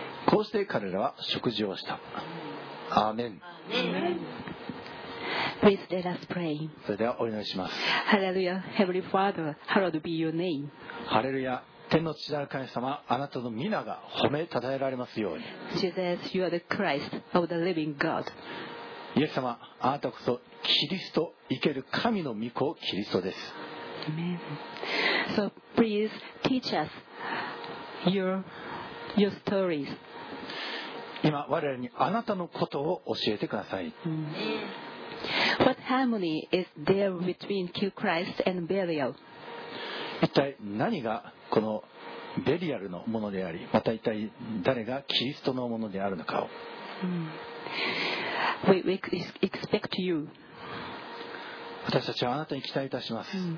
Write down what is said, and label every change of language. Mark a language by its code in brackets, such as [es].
[ja] こうして彼らは食事をした。アーメン。 [en] Please let us pray. [ja] それではお祈りします。 [en] Hallelujah, Heavenly Father, hallowed be your name. Hallelujah. [ja] 天の父なる神様、あなたの皆が褒めたたえられますように。 [en] Jesus, you are the Christ of the living God. [ja] イエス様、あなたこそキリスト、生ける神の御子キリストです。 [en] Amen. So please teach us your stories. [ja] 今我々にあなたのことを教えてください。 [en] What harmony is there between Christ and Belial? [ja] 一体何がこのベリアルのものであり、また一体誰がキリストのものであるのかを。 [en] We expect you. [ja] 私たちはあなたに期待いたします。